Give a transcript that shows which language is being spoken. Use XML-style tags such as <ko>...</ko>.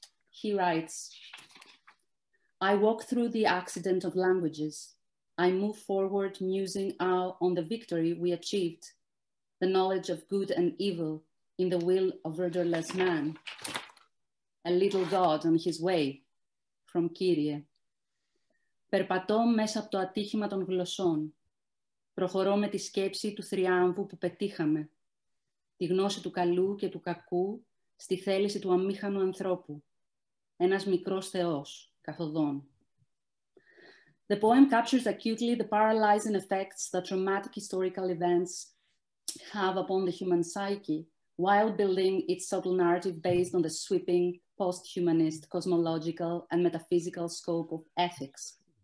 <en>He writes, "I walk through the accident of languages. I move forward musing out on the victory we achieved, the knowledge of good and evil in the will of rudderless man, a little god on his way," from Kyrie.</en> <el>"Περπατώ μέσα από το ατύχημα των γλωσσών. Προχωρώ με τη σκέψη του θριάμβου που πετύχαμε, τη γνώση του καλού και του κακού, στη θέληση του αμήχανου ανθρώπου, ένας μικρός θεός καθοδόν."</el> <en>The poem captures acutely the paralyzing effects that traumatic historical events have upon the human psyche, while building its subtle narrative based on the sweeping post-humanist cosmological and metaphysical scope of ethics.</en>